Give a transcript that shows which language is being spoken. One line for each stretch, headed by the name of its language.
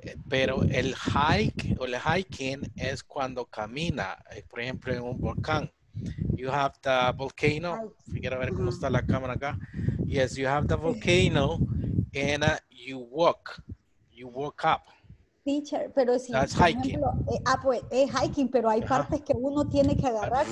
Spanish: Pero el hike o el hiking es cuando camina, por ejemplo, en un volcán.
English: You have the volcano.
Spanish: Figuera a ver cómo está la cámara acá.
English: Yes, you have the volcano and you walk. You walk up.
Spanish: Teacher, pero si
English: that's hiking.
Spanish: Ejemplo, pues es hiking, pero hay partes que uno tiene que agarrarse.